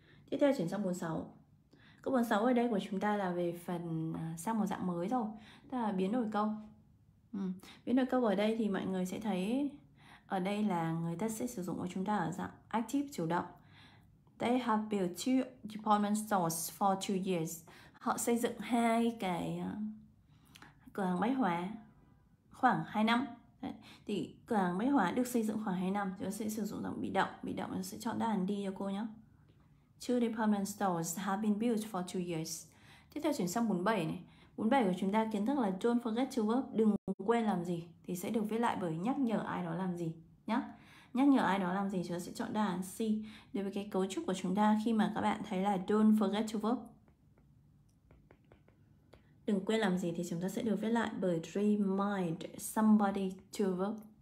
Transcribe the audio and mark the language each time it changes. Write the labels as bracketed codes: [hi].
[vi] Tiếp theo chuyển sang 46. Câu 46 ở đây của chúng ta là về phần sang một dạng mới thôi, ta là biến đổi câu. Biến đổi câu ở đây thì mọi người sẽ thấy ở đây là người ta sẽ sử dụng của chúng ta ở dạng active, chủ động. [en] They have built two department stores for 2 years. [vi] Họ xây dựng hai cái cửa hàng bách hóa khoảng 2 năm. Đấy. Thì cửa hàng bách hóa được xây dựng khoảng 2 năm, chúng ta sẽ sử dụng dạng bị động. Bị động sẽ chọn đáp án đi cho cô nhé. [en] Two department stores have been built for 2 years. [vi] Tiếp theo chuyển sang 47 này. 47 của chúng ta kiến thức là [en] don't forget to work, [vi] đừng quên làm gì, thì sẽ được viết lại bởi nhắc nhở ai đó làm gì nhá. Nhắc nhở ai đó làm gì, chúng ta sẽ chọn đáp án C. Đối với cái cấu trúc của chúng ta khi mà các bạn thấy là [en] don't forget to work, [vi] đừng quên làm gì, thì chúng ta sẽ được viết lại bởi [en] remind somebody to work.